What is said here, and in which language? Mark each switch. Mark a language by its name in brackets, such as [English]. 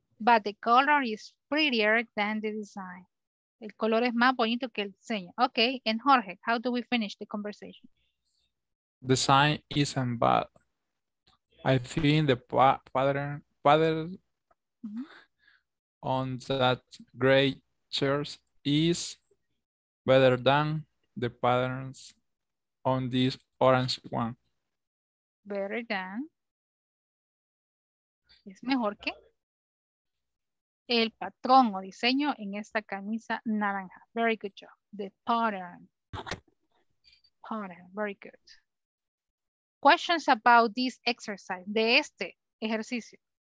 [English] But the color is prettier than the design. [Spanish] El color es más bonito que el diseño. [English] Okay, and Jorge, how do we finish the conversation? The sign isn't bad. I think the pattern mm-hmm. on that gray shirt is better than the patterns on this orange one. Better than. [Spanish] Es mejor que el patrón o diseño en esta camisa naranja. [English] Very good job. The pattern. Pattern. Very good. Questions about this exercise, [Spanish] de este ejercicio.